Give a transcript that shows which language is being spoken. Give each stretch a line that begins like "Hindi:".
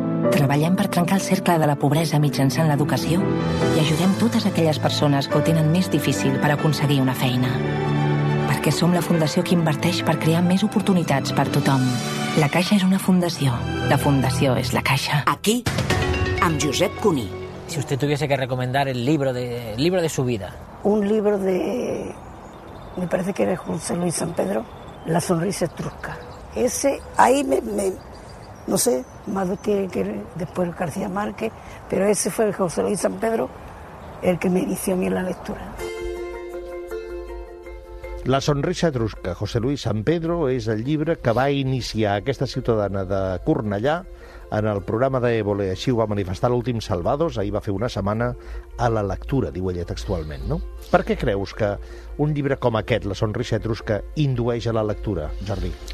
Catalan: Treballem per trencar el cercle de la pobresa mitjançant l'educació i ajudem totes aquelles persones que ho tenen més difícil per aconseguir una feina. Perquè som la fundació que inverteix per crear més oportunitats per tothom. La Caixa és una fundació. La fundació és la Caixa. Aquí, amb Josep Cuní.
Spanish: Si usted tuviese que recomendar el libro de su vida. Un libro de... Me parece que era José Luis San Pedro. La sonrisa etrusca. Ese, ahí me... No sé, más que después García Márquez, pero ese fue el José Luis San Pedro el que me inició a mí en la lectura.
Catalan: La sonrisa etrusca, José Luis San Pedro, és el llibre que va iniciar aquesta ciutadana de Cornellà en el programa d'Évole. Així ho va manifestar l'últim Salvados, ahir va fer una setmana, a la lectura, diu ella textualment, no? Per què creus que un llibre com aquest, La sonrisa etrusca, indueix a la lectura, Jordi?